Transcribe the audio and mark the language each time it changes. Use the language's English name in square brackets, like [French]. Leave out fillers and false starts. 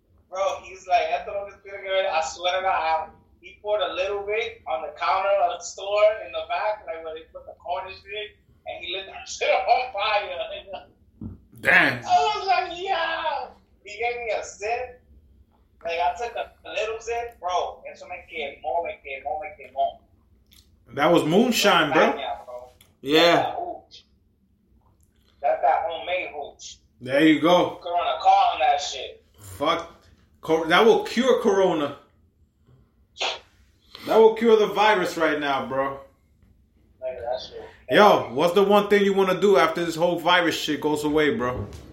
[English] Bro, he's like, after all this period, I swear to God, he poured a little bit on the counter of the store in the back, like where they put the Cornish in, and he lit that shit on fire. Damn. I was like, yeah. He gave me a sip. Like, I took a little sip, bro. [Spanish] Eso me quemó, me quemó, me quemó. [English] That was moonshine, bro. Yeah. That's that homemade hooch. There you go. Girl, on a car on that shit. Fuck. That will cure Corona. That will cure the virus right now, bro. Yo, what's the one thing you want to do after this whole virus shit goes away, bro?